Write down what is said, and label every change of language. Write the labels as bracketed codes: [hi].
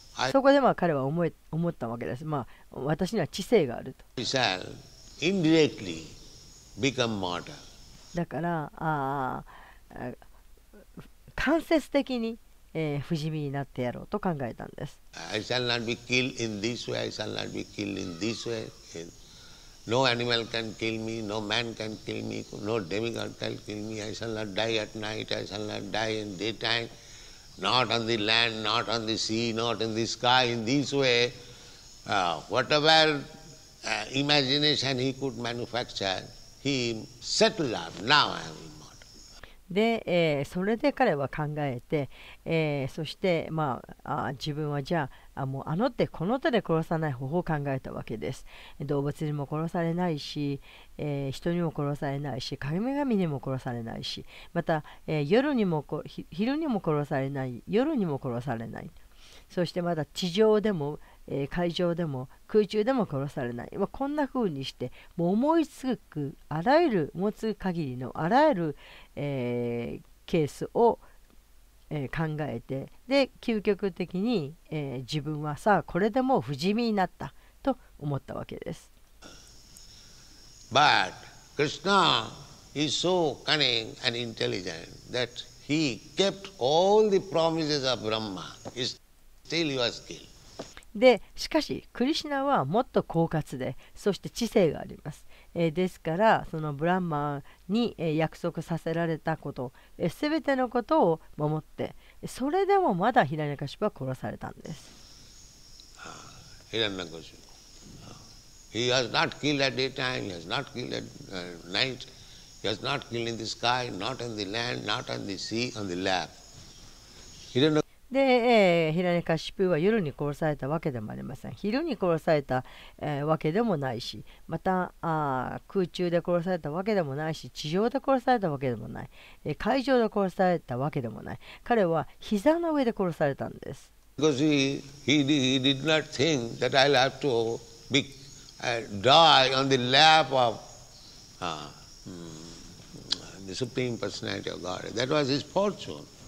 [ja] そこでまあ彼は 思ったわけです、私には知性があると。 [en] He shall indirectly become mortal. [ja] だから間接的に不死身になってやろうと考えたんです。 [en] I shall not be killed in this way, I shall not be killed in this way. No animal can kill me, no man can kill me, no demigod can kill me. I shall not die at night, I shall not die in daytime, not on the land, not on the sea, not in the sky. In this way, whatever imagination he could manufacture, he settled up. Now I am. [ja] で、それで彼は考えて、そして、自分はじゃ もうあの手この手で殺さない方法を考えたわけです。動物にも殺されないし、人にも殺されないし、神々にも殺されないし、また、夜にも昼にも殺されない、夜にも殺されない、そしてまた地上でも、海上でも空中でも殺されない、こんな風にしてもう思いつくあらゆる持つ限りのあらゆる、ケースを、考えて、で究極的に、自分はさあこれでもう不死身になったと思ったわけです。 [en] But Krishna is so cunning and intelligent that he kept all the promises of Brahma. Still he was killed. [ja] でしかしクリシナはもっと狡猾で、そして知性があります、ですからそのブランマーに、約束させられたこと、全てのことを守って、それでもまだヒラニャカシュは殺されたんです。 [en] ヒラニャカシュ He has not killed at daytime, he has not killed at night, he has not killed in the sky, not on the land, not on the sea, on the lap. He didn't. [ja] で、ヒラニカシプーは夜に殺されたわけでもありません。昼に殺された、わけでもないし、また空中で殺されたわけでもないし、地上で殺されたわけでもない、海上で殺されたわけでもない。彼は膝の上で殺されたんです。 [en] Because he did not think that I'll have to be, die on the lap of the Supreme Personality of God. That was his fortune.